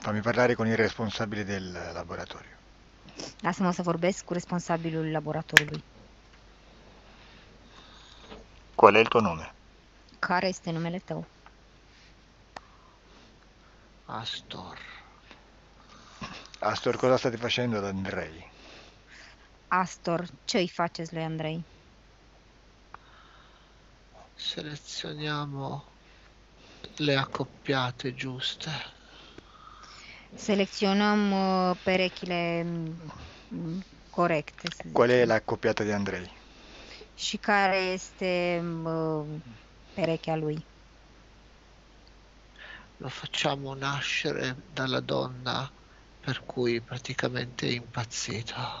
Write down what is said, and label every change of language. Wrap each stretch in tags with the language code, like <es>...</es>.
<it>Fammi parlare con il responsabile del laboratorio.</it> <ro>Lasă-mă să vorbesc cu responsabilul laboratorului.</ro> <it>Qual è il tuo nome?</it> <ro>Care este numele tău? Astor.</ro> <it>Astor, cosa state facendo ad Andrei?</it> <ro>Astor, ce-i faceți lui Andrei?</ro> <it>Selezioniamo le accoppiate giuste.</it> <ro>Selecționăm perechile corecte, să</ro> <it>Qual è</it> <ro>zicem.</ro> <it>l'accoppiata di Andrei?</it> <ro>Și care este perechea lui.</ro> <it>Lo facciamo nascere dalla donna per cui praticamente è impazzito.</it>